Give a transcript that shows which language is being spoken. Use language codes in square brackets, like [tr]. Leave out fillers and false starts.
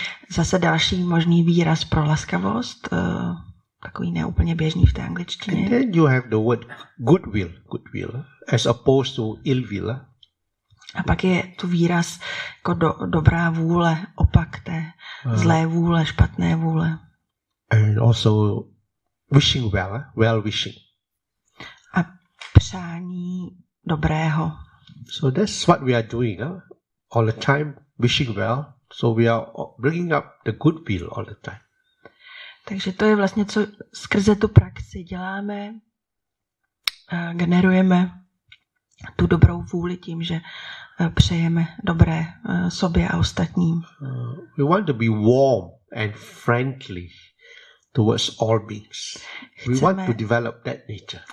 [cs] Zase další možný výraz pro laskavost, takový neúplně běžný v té angličtině. [en] And then you have the word goodwill, goodwill, as opposed to ill will. [cs] A pak je tu výraz jako dobrá vůle, opak té zlé vůle, špatné vůle. [en] And also wishing well, well wishing. [cs] A přání dobrého. [en] So that's what we are doing, all the time, wishing well. So we are bringing up the goodwill all the time. [cs] Takže to je vlastně, co skrze tu praxi děláme, generujeme tu dobrou vůli tím, že přejeme dobré sobě a ostatním. [en] We want to be warm and friendly towards all beings. We want to develop that nature.